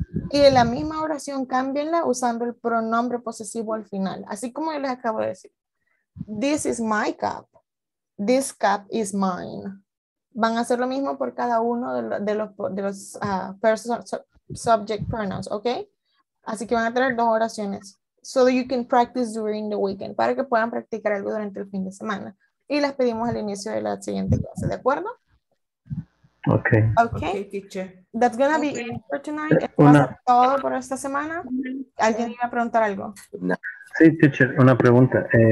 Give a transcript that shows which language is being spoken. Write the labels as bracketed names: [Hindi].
[Spanish] Y en la misma oración, cámbienla usando el pronombre posesivo al final. Así como yo les acabo de decir. [English] This is my cup. This cup is mine. [Spanish] Van a hacer lo mismo por cada uno de los first subject pronouns, ¿ok? Así que van a tener dos oraciones. [English] So that you can practice during the weekend. [Spanish] Para que puedan practicar algo durante el fin de semana. Y las pedimos al inicio de la siguiente clase, ¿de acuerdo? [English] Okay. Okay, teacher. That's gonna be it for tonight. [Spanish] Una, todo por esta semana. ¿Alguien iba a preguntar algo? No. Sí, teacher, una pregunta.